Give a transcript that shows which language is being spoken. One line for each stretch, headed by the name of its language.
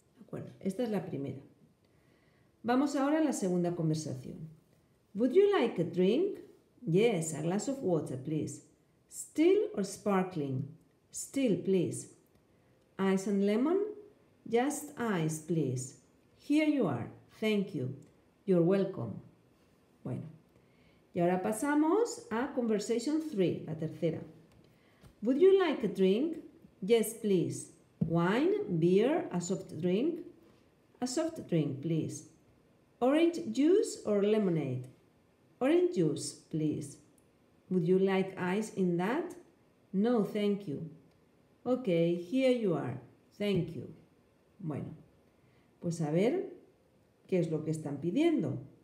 Spanish: Bueno, esta es la primera. Vamos ahora a la segunda conversación.
English: Would you like a drink? Yes, a glass of water, please. Still or sparkling? Still, please. Ice and lemon? Just ice, please. Here you are. Thank you. You're welcome.
Spanish: Bueno, y ahora pasamos a conversation 3, la tercera.
English: Would you like a drink? Yes, please. Wine, beer, a soft drink? A soft drink, please. Orange juice or lemonade? Orange juice, please. Would you like ice in that? No, thank you. Okay, here you are. Thank you.
Spanish: Bueno, pues a ver qué es lo que están pidiendo.